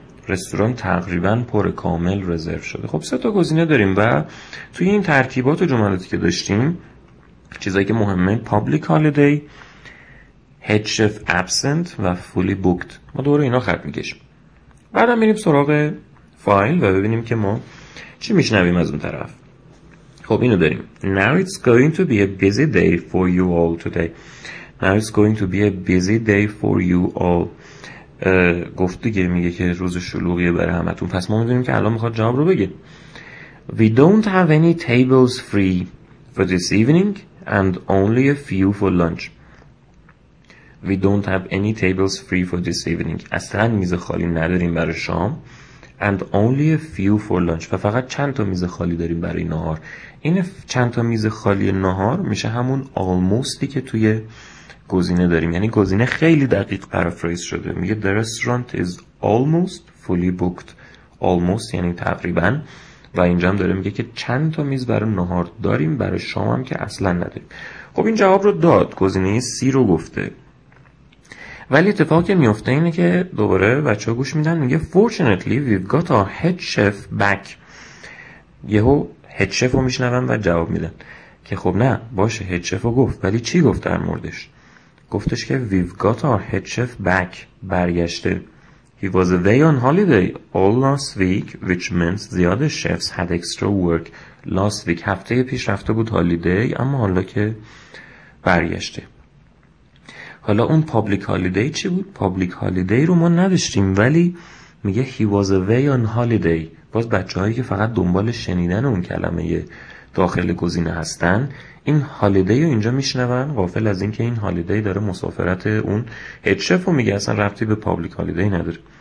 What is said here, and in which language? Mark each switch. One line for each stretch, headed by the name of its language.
Persian: رستوران تقریبا پر کامل رزرو شده. خب سه تا گزینه داریم و توی این ترتیبات و جملاتی که داشتیم، چیزایی که مهمه
English: public holiday، head chef absent
Persian: و
English: fully booked.
Persian: ما دوباره اینا خط می‌کشیم. بعدا میریم سراغ فایل و ببینیم که ما چی میشنویم از اون طرف. خب اینو داریم.
English: Now it's going to be a busy day for you all today. Now it's going to be a busy day for you all.
Persian: گفت دیگه، میگه که روز شلوغیه برای همتون. پس ما میدونیم که الان میخواد جواب رو بگه.
English: We don't have any tables free for this evening and only a few for lunch. We don't have any tables free for this evening.
Persian: اصلا میز خالی نداریم برای شام.
English: And only a few for lunch.
Persian: و فقط چند تا میز خالی داریم برای نهار. این چند تا میز خالی نهار میشه همون almostی که توی گزینه داریم. یعنی گزینه خیلی دقیق پرافریز شده. میگه
English: the restaurant is almost fully booked. Almost
Persian: یعنی تقریبا. و اینجا هم داره میگه که چند تا میز برای نهار داریم، برای شام هم که اصلا نداریم. خب این جواب رو داد، گزینه C رو گفته. ولی اتفاقی که میفته اینه که دوباره بچه ها گوش میدن، میگه
English: fortunately we've got our head chef back.
Persian: یهو head chef رو میشنون و جواب میدن که خب نه باشه، head chef رو گفت، ولی چی گفت در موردش؟ گفتش که
English: we've got our head chef back،
Persian: برگشته.
English: He was away on holiday all last week which means the other chefs had extra work. Last week
Persian: هفته پیش رفته بود holiday، اما حالا که برگشته. حالا اون پابلیک هالیدی چی بود؟ پابلیک هالیدی رو ما نداشتیم، ولی میگه
English: he was away on holiday.
Persian: باز بچه هایی که فقط دنبال شنیدن اون کلمه داخل گزینه هستن، این هالیدی رو اینجا میشنون غافل از این که این هالیدی داره مسافرت اون هدشف رو میگه، اصلا ربطی به پابلیک هالیدی نداره.